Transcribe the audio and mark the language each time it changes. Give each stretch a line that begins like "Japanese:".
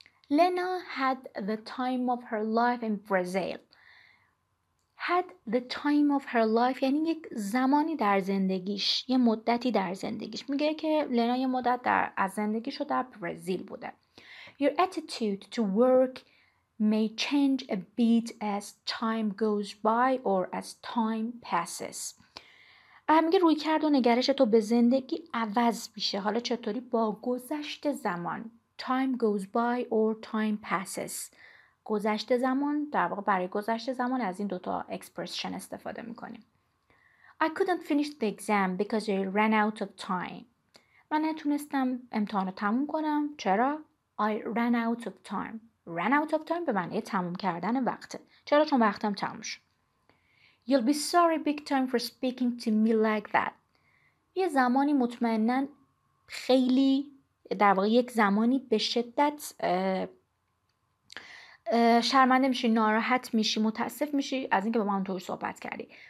English: Lena had the time of her life in Brazil.
Persian: Had the time of her life یعنی یک زمانی در زندگیش، یه مدتی در زندگیش. میگه که لنا یه مدت در از زندگیش رو در برزیل بوده.
English: Your attitude to work may change a bit as time goes by or as time passes.
Persian: میگه روی کرد و نگرش تو به زندگی عوض میشه.
English: حالا چطوری؟ با گذشت زمان. Time goes by or time passes.
Persian: گذشته زمان در واقع برای گذشته زمان از این دوتا expression استفاده میکنیم.
English: I couldn't finish the exam because I ran out of time.
Persian: من نتونستم امتحان رو تموم کنم.
English: چرا؟ I ran out of time. Ran out of time به معنی تموم کردن وقته. چرا؟ چون وقتم تموم شد. You'll be sorry big time for speaking to me like that.
Persian: یه زمانی مطمئنن خیلی در واقع یک زمانی به شدت شرمنده میشی، ناراحت میشی، متاسف میشی از اینکه با من اونطور صحبت کردی.